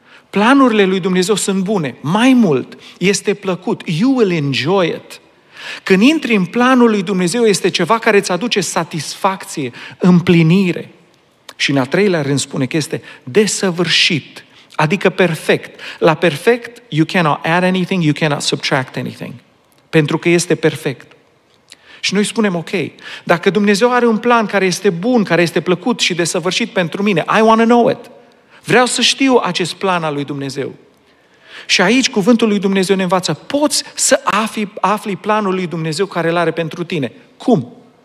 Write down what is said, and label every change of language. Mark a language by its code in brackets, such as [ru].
[ro] Planurile lui Dumnezeu sunt bune, mai mult, este plăcut, [en] you will enjoy it. [ro] Când intri în planul lui Dumnezeu, este ceva care îți aduce satisfacție, împlinire. Și în a treilea rând spune că este desăvârșit, adică perfect. La perfect, [en] you cannot add anything, you cannot subtract anything. [ro] Pentru că este perfect. Și noi spunem, ok, dacă Dumnezeu are un plan care este bun, care este plăcut și desăvârșit pentru mine, [en] I want to know it. [ro] Vreau să știu acest plan al lui Dumnezeu. Și aici cuvântul lui Dumnezeu ne învață, poți să afli planul lui Dumnezeu care îl are pentru tine. Cum?